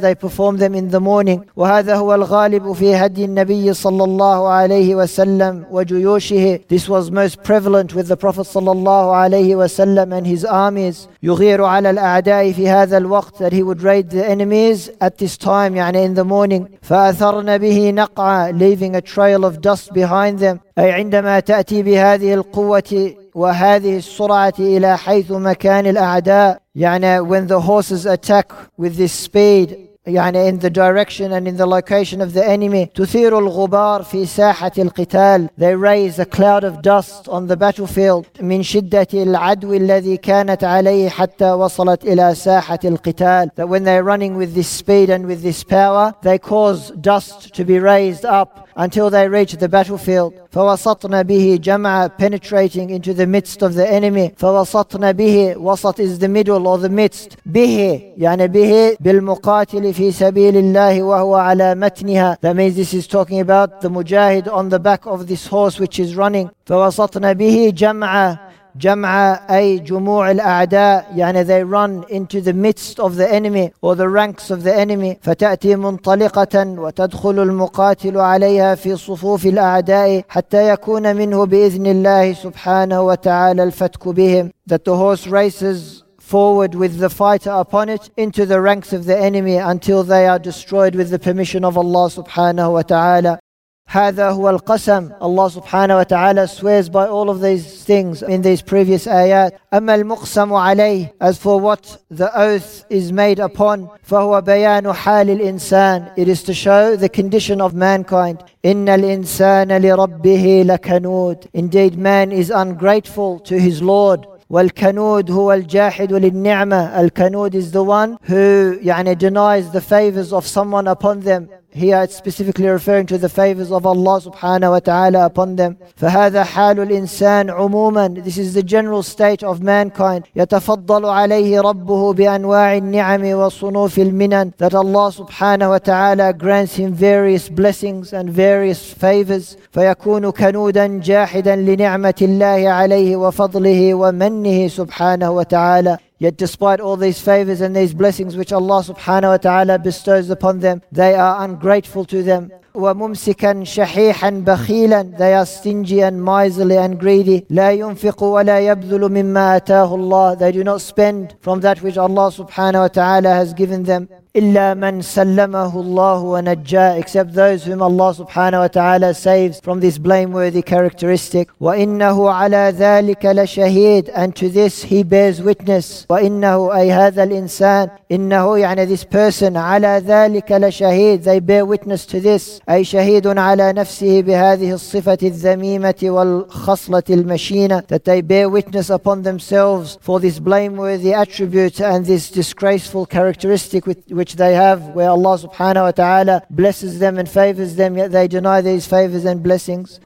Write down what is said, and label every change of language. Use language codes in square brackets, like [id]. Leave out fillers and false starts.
[en] They perform them in the morning [ar] وهذا هو الغالب في هدي النبي صلى الله عليه وسلم وجيوشه [en] This was most prevalent with the Prophet صلى الله عليه وسلم and his armies [ar] يغير على الأعداء في هذا الوقت [en] that he would raid the enemies at this time يعني in the morning [ar] فأثرن به نقعا [en] leaving a trail of dust behind them [ar] أي عندما تأتي بهذه القوة وهذه السرعة إلى حيث مكان الأعداء. [en] يعني when the horses attack with this speed, يعني in the direction and in the location of the enemy, [ar] تثير الغبار في ساحة القتال. [en] They raise a cloud of dust on the battlefield [ar] من شدة العدو الذي كانت عليه حتى وصلت إلى ساحة القتال. [en] That when they're running with this speed and with this power, they cause dust to be raised up until they reach the battlefield. [ar] فوسطنا به جمعا, [en] penetrating into the midst of the enemy. [ar] فوسطنا به, [en] وسط is the middle or the midst. [ar] به, يعني به بالمقاتل في سبيل الله وهو على متنها. [en] That means this is talking about the mujahid on the back of this horse which is running. [ar] فوسطنا به جمعا, جمعا أي جموع الأعداء, [en] يعني they run into the midst of the enemy or the ranks of the enemy. [ar] فتأتي منطلقة وتدخل المقاتل عليها في صفوف الأعداء حتى يكون منه بإذن الله سبحانه وتعالى الفتك بهم. [en] That the horse races forward with the fighter upon it into the ranks of the enemy until they are destroyed with the permission of Allah سبحانه وتعالى. [ar] هذا هو القسم. [en] Allah subhanahu wa ta'ala swears by all of these things in these previous ayat. [ar] أما المقسم عليه, [en] as for what the oath is made upon, [ar] فهو بيان حال الإنسان, [en] it is to show the condition of mankind. [ar] إن الإنسان لربه لكنود, [en] indeed man is ungrateful to his Lord. [ar] والكنود هو الجاحد للنعمة, [en] الكنود is the one who يعني denies the favors of someone upon them. Here it's specifically referring to the favors of Allah subhanahu wa ta'ala upon them. [ar] فهذا حال الإنسان عموما, [en] this is the general state of mankind. [ar] يتفضل عليه ربه بأنواع النعم وصنوف المنن, [en] that Allah subhanahu wa ta'ala grants him various blessings and various favors. [ar] فيكون كنودا جاحدا لنعمة الله عليه وفضله ومنه سبحانه وتعالى. [en] Yet despite all these favors and these blessings which Allah subhanahu wa ta'ala bestows upon them, they are ungrateful to them. [ar] وَمُمْسِكًا شَحِيحًا بَخِيلًا, [en] they are stingy and miserly and greedy. [ar] لَا يُنْفِقُ وَلَا يَبْذُلُ مِمَّا أَتَاهُ اللَّهُ, [en] they do not spend from that which Allah subhanahu wa ta'ala has given them. [ar] إِلَّا مَنْ سَلَّمَهُ اللَّهُ وَنَجَّاهُ, [en] except those whom Allah subhanahu wa ta'ala saves from this blameworthy characteristic. [ar] وَإِنَّهُ عَلَى ذَلِكَ لَشَهِيدٌ, [en] and to this he bears witness. [ar] وَإِنَّهُ أي هذا الإنسان, إِنَّهُ يعني [en] this person, [ar] عَلَى ذَلِكَ لَشَهِيدٌ, [en] they bear witness to this. [ar] أي شهيد على نفسه بهذه الصفة الذميمة والخصلة المشينة, [en] that they bear witness upon themselves for this blameworthy attribute and this disgraceful characteristic which they have, where Allah subhanahu wa ta'ala blesses them and favors them, yet they deny these favors and blessings.